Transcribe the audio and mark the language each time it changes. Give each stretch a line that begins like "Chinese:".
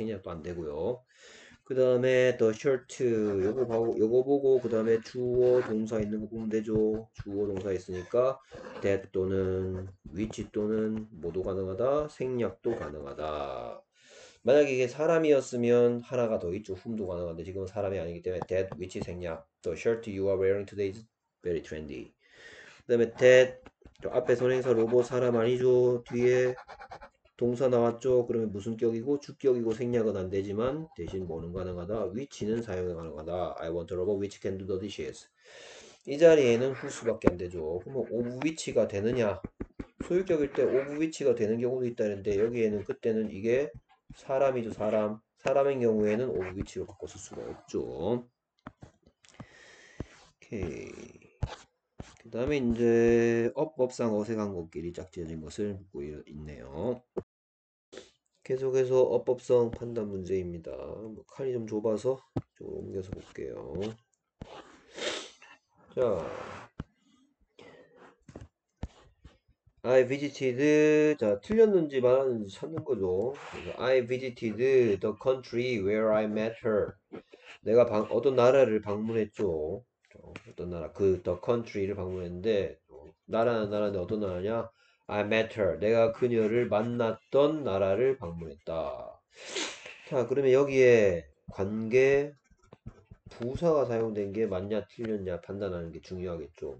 Korean: 생략도 안 되고요. 그 다음에 the shirt 요거 보고 그 다음에 주어 동사 있는 거 보면 되죠. 주어 동사 있으니까 that 또는 which 또는 모두 가능하다. 생략도 가능하다. 만약에 이게 사람이었으면 하나가 더 있죠. whom도 가능한데 지금은 사람이 아니기 때문에 that which 생략.
English: the shirt you are wearing today is very trendy.
Korean: 그 다음에 that 앞에 선행사 로봇 사람 아니죠. 뒤에 동사 나왔죠? 그러면 무슨 격이고 주격이고 생략은 안 되지만 대신 뭐는 가능하다? 위치는 사용이 가능하다.
English: I want a robot which can do the dishes.
Korean: 이 자리에는 후수밖에 안 되죠. 그러면 of which가 되느냐? 소유격일 때 of which가 되는 경우도 있다는데 여기에는 그때는 이게 사람이죠. 사람. 사람인 경우에는 of which로 바꿔 쓸 수가 없죠. 오케이. 그 다음에 이제 어법상 어색한 것끼리 짝지어진 것을 묻고 있네요. 계속해서 어법성 판단 문제입니다. 칸이 좀 좁아서 좀 옮겨서 볼게요. 자,
English: I visited,
Korean: 자, 틀렸는지 말하는지 찾는 거죠.
English: I visited the country where I met her.
Korean: 내가 어떤 나라를 방문했죠. 어떤 나라, the country를 방문했는데, 나라는 어떤 나라냐?
English: I met her.
Korean: 내가 그녀를 만났던 나라를 방문했다. 자, 그러면 여기에 관계, 부사가 사용된 게 맞냐 틀렸냐 판단하는 게 중요하겠죠.